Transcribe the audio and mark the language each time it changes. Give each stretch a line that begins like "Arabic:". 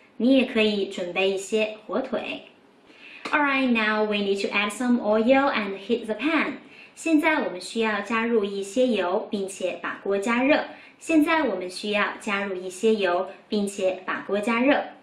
Chinese: 你也可以准备一些火腿。
English: Alright, now we need to add some oil and heat the pan.
Chinese: 现在我们需要加入一些油并且把锅加热。现在我们需要加入一些油并且把锅加热。